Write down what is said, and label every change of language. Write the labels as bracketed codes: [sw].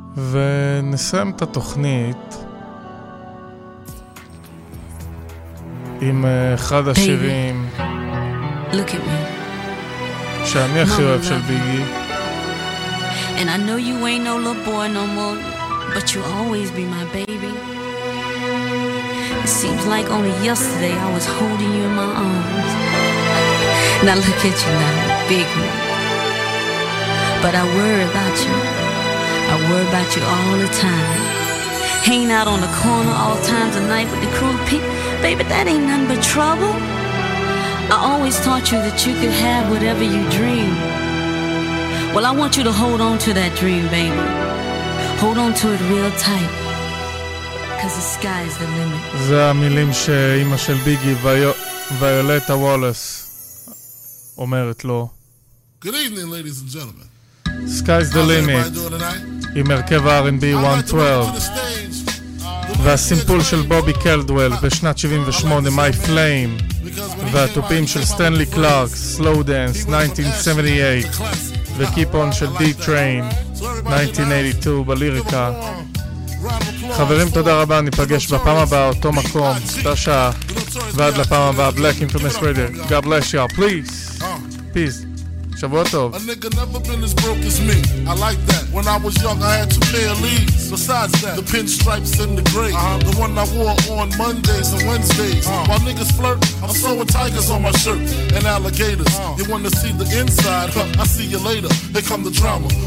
[he] ונסיים את התוכנית עם אחד השירים שאני הכי אוהב של ביגי. [en] And I know you ain't no little boy no more, but you always be my baby. It seems like only yesterday I was holding you in my arms. Now look at you now, big man. But I worry about you. I worry about you all the time. Hanging out on the corner all times of night with the crew of people. Baby, that ain't nothing but trouble. I always taught you that you could have whatever you dream. Well, I want you to hold on to that dream, baby. Hold on to it real tight. Cause the sky is the limit. [he] זה המילים שאימא של ביגי, ויולטה וולס, אומרת לו. [en] Good evening, ladies and gentlemen. [he] Sky's the limit. עם הרכב R&B 112. והסימפול של בובי קלדוול בשנת 78, My Flame. והטופים של סטנלי קלארק, Slow Dance, 1978, וקיפ און של D-Train, 1982, בליריקה. חברים, תודה רבה, ניפגש בפעם הבאה, אותו מקום, אותה שעה, ועד לפעם הבאה, Black Infamous Radio. [en] God bless you, please. Peace. [he] שבוע טוב. [en] A nigga never been as broke as me. I like that. When I was young, I had two pair of leaves. Besides that, the pinstripes and the gray. The one I wore on Mondays and Wednesdays. While niggas flirt, I'm sewing tigers on my shirt and alligators. You wanna see the inside? I see you later. Here come the drama.